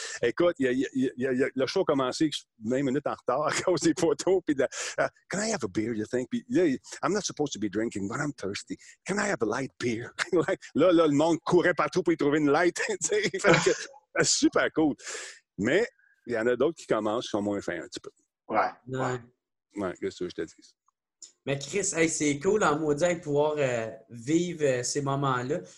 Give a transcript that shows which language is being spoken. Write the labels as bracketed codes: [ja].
[fr] Écoute, il y a le show a commencé 20 minutes en retard à cause des photos. [en] Puis can I have a beer, you think? [fr] Puis là, [en] I'm not supposed to be drinking, but I'm thirsty. Can I have a light beer? [fr] Là, le monde courait partout pour y trouver une light. super cool. Mais il y en a d'autres qui commencent, qui sont moins fins un petit peu. Ouais, qu'est-ce que je te dis? Mais Chris, hey, c'est cool en maudit de pouvoir vivre ces moments-là.